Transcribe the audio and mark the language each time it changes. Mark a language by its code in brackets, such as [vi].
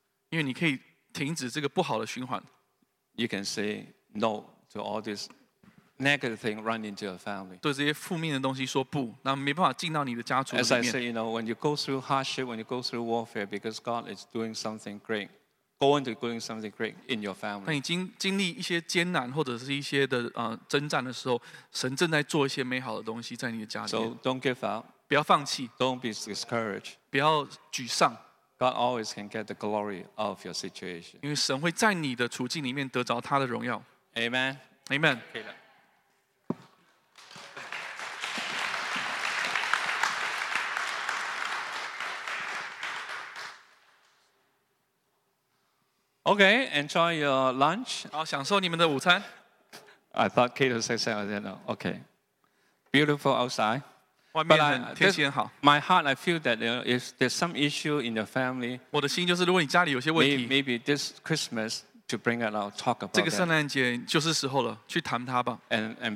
[en] You can say no to all this negative thing running into your family. As I said, you know, when you go through hardship, when you go through warfare, because God is doing something great, going to doing something great in your family. [zh] 那你经历一些艰难或者是一些的征战的时候, 神正在做一些美好的东西在你的家里面。 [en] So don't give up. [zh] 不要放弃。 [en] Don't be discouraged. [zh] 不要沮丧。 [en] God always can get the glory of your situation. [zh] 因为神会在你的处境里面得着他的荣耀。 [en] Amen. Amen. [zh] 可以了。 [en] Okay, enjoy your lunch. [zh] 好，享受你们的午餐。 [en] I thought Kate said something. Okay, beautiful outside. [zh] 外面天气很好。 [en] My heart, I feel that if there's some issue in your family, [zh] 我的心就是如果你家里有些问题, [en] maybe this Christmas to bring it out, talk about it. [zh] 这个圣诞节就是时候了，去谈它吧。And